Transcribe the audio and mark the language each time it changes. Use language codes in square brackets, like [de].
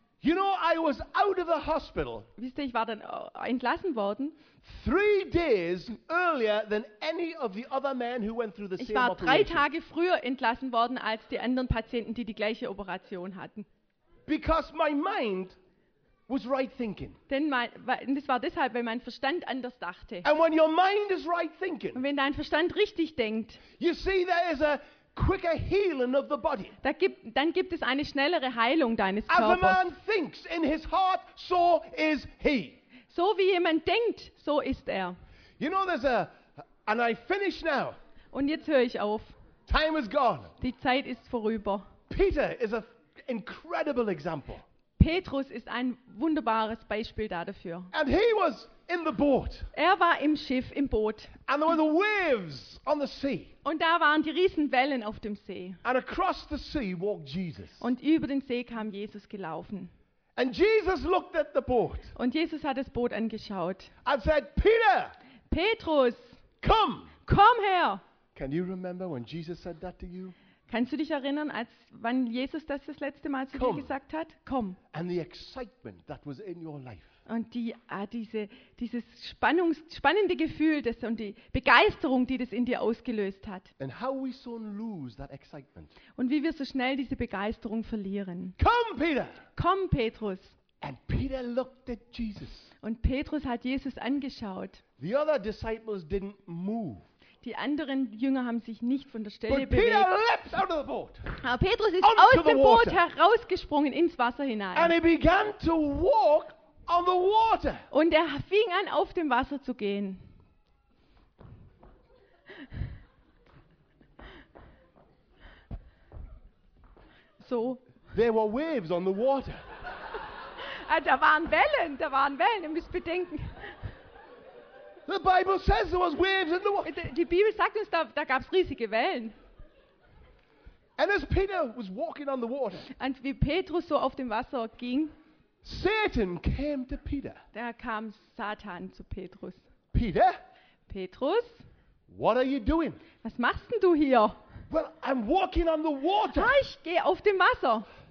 [en] You know, I was out of the hospital. [de] Wisst ihr, ich war dann entlassen worden. [en] 3 days earlier than any of the other men who went through the same operation. [de] Ich war 3 Tage früher entlassen worden als die anderen Patienten, die die gleiche Operation hatten. [en] Because my mind was right thinking. [de] Denn das war deshalb, weil mein Verstand anders dachte. [en] And when your mind is right thinking. [de] Und wenn dein Verstand richtig denkt. [en] You see, there is a quicker healing of the body. [de] Dann gibt es eine schnellere Heilung deines Körpers. [en] As a man thinks in his heart, so is he. [de] So wie jemand denkt, so ist er. [en] You know, there's a, and I finish now. [de] Und jetzt höre ich auf. [en] Time is gone. [de] Die Zeit ist vorüber. [en] Peter is an incredible example. [de] Petrus ist ein wunderbares Beispiel dafür. [en] And he was in the boat. [de] Er war im Schiff, im Boot. [en] And there were the waves on the sea. [de] Und da waren die riesen Wellen auf dem See. [en] And across the sea walked Jesus. [de] Und über den See kam Jesus gelaufen. [en] And Jesus looked at the boat. [de] Und Jesus hat das Boot angeschaut. [en] And said, "Peter, [de] Petrus, [en] come, [de] komm her." [en] Can you remember when Jesus said that to you? [de] Kannst du dich erinnern, als wann Jesus das letzte Mal zu dir gesagt hat? Komm. [en] And the excitement that was in your life. [de] Und dieses spannende Gefühl und die Begeisterung, die das in dir ausgelöst hat. [en] And how we soon lose that excitement. [de] Und wie wir so schnell diese Begeisterung verlieren. [en] Come, Peter. [de] Komm, Petrus. [en] And Peter looked at Jesus. [de] Und Petrus hat Jesus angeschaut. [en] The other disciples didn't move. [de] Die anderen Jünger haben sich nicht von der Stelle [en] But Peter [de] bewegt. [en] Leapt out of the boat. [de] Aber Petrus ist aus dem Boot herausgesprungen ins Wasser hinein. [en] And he began to walk on the water. [de] Und er fing an, auf dem Wasser zu gehen. [en] So. There were waves on the water. [de] Da waren Wellen, ihr müsst bedenken. [en] The Bible says there was waves in the water. [de] Die Bibel sagt uns, da gab es riesige Wellen. [en] And as Peter was walking on the water, [de] und wie Petrus so auf dem Wasser ging, [en] Satan came to Peter. [de] Da kam Satan zu Petrus. [en] Petrus, what are you doing? [de] Was machst denn du hier? [en] Well, I'm walking on the water. [de] Ich gehe auf dem Wasser.